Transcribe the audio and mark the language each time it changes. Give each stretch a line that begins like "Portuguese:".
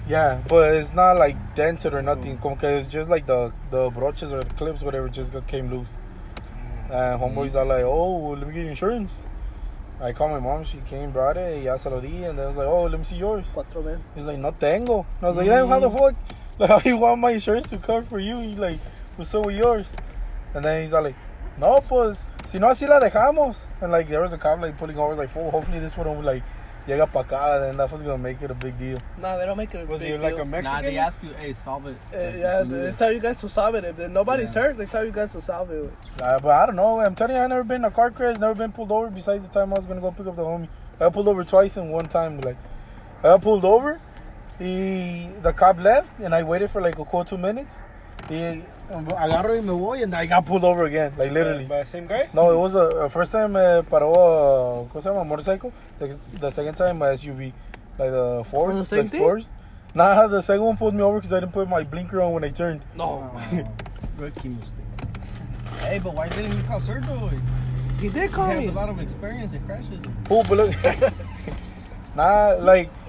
English: Yeah, but it's not, like, dented or nothing. Oh.
Spanish: Como que
English: it's just, like, the broches or the clips, whatever, just came loose. And homeboys are like, oh, let me get insurance. I called my mom. She came, brought it.
Spanish: Ya se lo di.
English: And then I was like, oh, let me see yours.
Spanish: Cuatro, man.
English: He's like,
Spanish: no tengo.
English: And I was like, yeah, how the fuck? Like, I want my insurance to cover for you. He's like, well, so with yours. And then he's like,
Spanish: no, pues, si no, así la dejamos.
English: And, like, there was a cop, like, pulling over. I was like, oh, hopefully this one will, like,
Spanish: llega pa' acá,
English: and that was gonna make it a big deal. Nah, they don't make it a big deal. Was he like a Mexican? Nah, they ask you, hey, solve it. They tell you guys to solve it. If nobody's hurt, they tell you guys to solve it. But I don't know. I'm telling you, I've never been in a car crash, never been pulled over besides the time I was gonna go pick up the homie. I got pulled over twice in one time. Like, I got pulled over, the cop left, and I waited for like a cool 2 minutes. I got him away, and I got pulled over again, like literally. By the same guy? No, it was a first time
Spanish: paró, ¿cómo se llama?
English: Motorcycle. The second time, my SUV, like the Ford. From the same thing? Nah, the second one pulled me over because I didn't put my blinker on when I turned. No. Rookie mistake. Hey, but why didn't you call Sergio? He did call me. He has a lot of experience in crashes. Oh, but look. Nah, like...